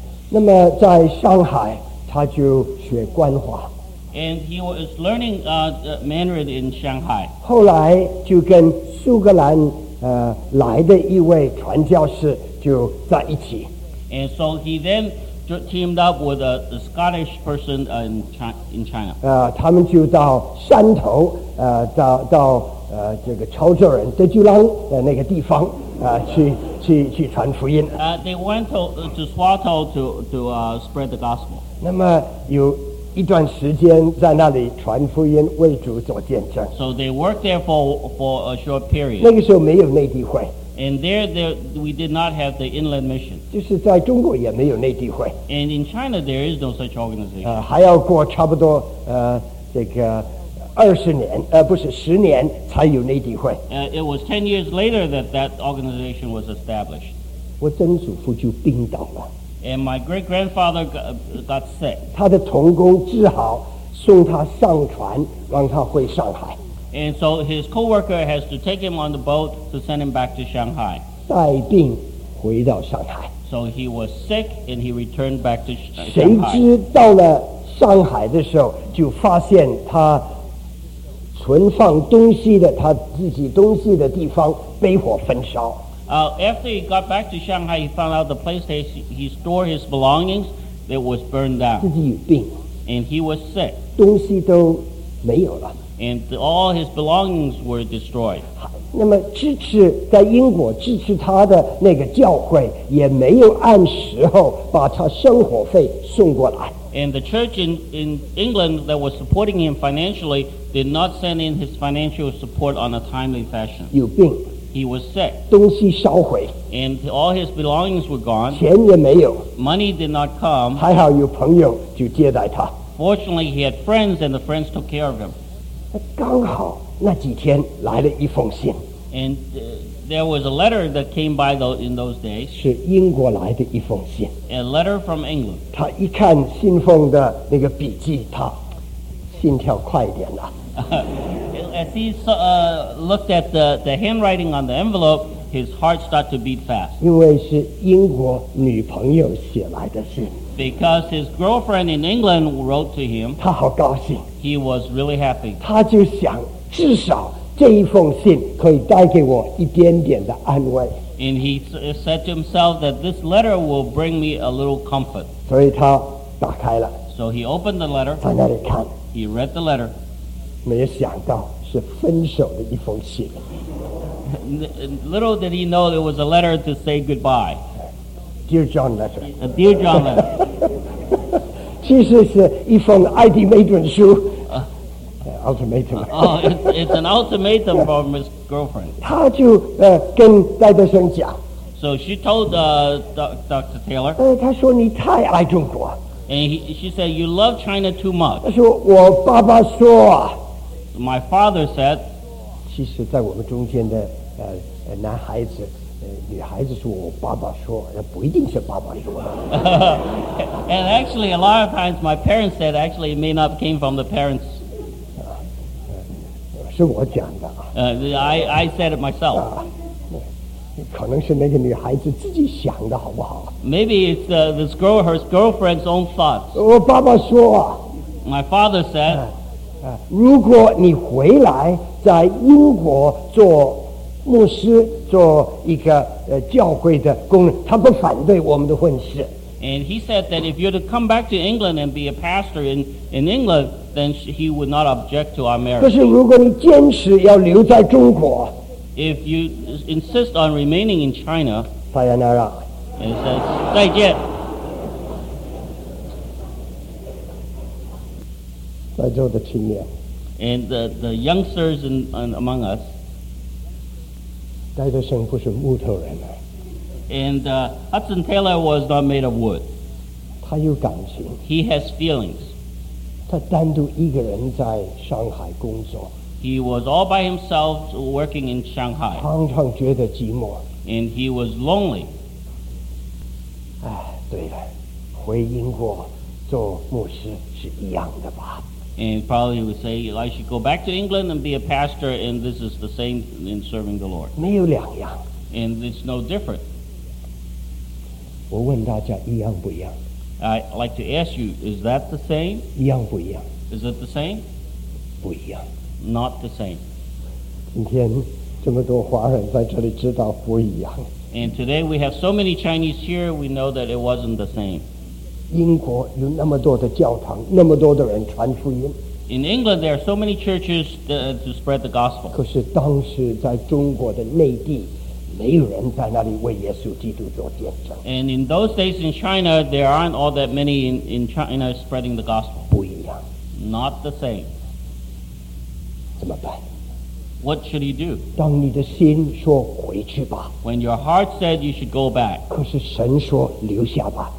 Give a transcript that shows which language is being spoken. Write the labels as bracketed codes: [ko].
[zh] 那么在上海他就学官话。 [en] And he was learning Mandarin in Shanghai. [zh] 后来就跟苏格兰来的一位传教士就在一起。 [en] And so he then teamed up with a Scottish person in China. [zh] 他们就到山头，到这个潮州人德居郎的那个地方，去传福音。 [en] They went to Swatow to spread the gospel. [zh] 那么有一段时间在那里传福音，为主做见证。 [en] So they worked there for a short period. [zh] 那个时候没有内地会。 [en] And there we did not have the inland mission. [zh] 就是在中国也没有内地会。 [en] And in China there is no such organization. [zh] 还要过差不多这个20年，不是10年才有内地会。 [en] It was 10 years later that organization was established. [zh] 我曾祖父就病倒了。 [en] And my great grandfather got sick. [zh] 他的同工治好，送他上船，让他回上海。 [en] And so his coworker has to take him on the boat to send him back to Shanghai. [zh] 带病回到上海。 [en] So he was sick and he returned back to Shanghai. [zh] 谁知到了上海的时候，就发现他存放东西的他自己东西的地方被火焚烧。 [en] After he got back to Shanghai, he found out the place that he stored his belongings that was burned down. [zh] 自己有病。 [en] And he was sick. [zh] 东西都没有了。 [en] And all his belongings were destroyed. [zh] 那么支持在英国支持他的那个教会也没有按时候把他生活费送过来。 [en] And the church in England that was supporting him financially did not send in his financial support on a timely fashion. [zh] 有病。 [en] He was sick. [zh] 东西烧毁。 [en] And all his belongings were gone. [zh] 钱也没有。 [en] Money did not come. [zh] 还好有朋友就接待他。 [en] Fortunately, he had friends and the friends took care of him. [zh] 刚好那几天来了一封信。 [en] And there was a letter that came by in those days. [zh] 是英国来的一封信。 [en] A letter from England. [zh] 他一看信封的那个笔迹，他心跳快一点了。 [en] As he looked at the handwriting on the envelope, his heart started to beat fast. [zh] 因为是英国女朋友写来的信。 [en] Because his girlfriend in England wrote to him. [zh] 他好高兴。 [en] He was really happy. [zh] 他就想，至少这一封信可以带给我一点点的安慰。 [en] And he said to himself that this letter will bring me a little comfort. [zh] 所以他打开了。 [en] So he opened the letter. [zh] 在那里看。 [en] He read the letter. [zh] 没想到是分手的一封信。 [en] Little did he know it was a letter to say goodbye. Dear John letter. A dear John letter. [zh] 其实是一封爱迪梅顿书。 [en] Ultimatum. It's an ultimatum from his girlfriend. [zh] 他就跟戴德生讲。 [en] So she told Dr. Taylor. [zh] 他说你太爱中国。 [en] And she said you love China too much. [zh] 他说我爸爸说。 [en] My father said, [zh] 其实在我们中间的男孩子女孩子说我爸爸说不一定是爸爸说的。 [en] And actually a lot of times my parents said actually it may not came from the parents. [zh] 是我讲的。 [en] I said it myself. [zh] 可能是那个女孩子自己想的好不好。 [en] Maybe it's this girl, her girlfriend's own thoughts. [zh] 我爸爸说。 [en] My father said, [zh] 如果你回来在英国做牧师做一个教会的工人他不反对我们的婚事。 [en] And he said that if you're to come back to England and be a pastor in England, then he would not object to our marriage. [zh] 可是如果你坚持要留在中国。 [en] If you insist on remaining in China, [ja] Sayonara. [en] And he says, [zh] 再见。在座的青年 [en] and the youngsters in among us [zh] 戴德生不是木头人 [en] and Hudson Taylor was not made of wood [zh] 他有感情 [en] he has feelings [zh] 他单独一个人在上海工作 [en] he was all by himself working in Shanghai [zh] 常常觉得寂寞 [en] and he was lonely [zh] 哎，对了回英国做牧师是一样的吧 [en] And probably he would say, I should go back to England and be a pastor, and this is the same in serving the Lord. [zh] 没有两样。 [en] And it's no different. [zh] 我问大家一样不一样。 [en] I'd like to ask you, is that the same? [zh] 一样不一样。 [en] Is it the same? [zh] 不一样。 [en] Not the same. [zh] 今天这么多华人在这里知道不一样。 [en] And today we have so many Chinese here, we know that it wasn't the same. [zh] 英国有那么多的教堂，那么多的人传福音。 [en] In England, there are so many churches to spread the gospel. [zh] 可是当时在中国的内地，没有人在那里为耶稣基督做见证。 [en] And in those days in China, there aren't all that many in China spreading the gospel. [zh] 不一样。 [en] Not the same. [zh] 怎么办？ [en] What should you do? [zh] 当你的心说回去吧。 [en] When your heart said you should go back. [zh] 可是神说留下吧。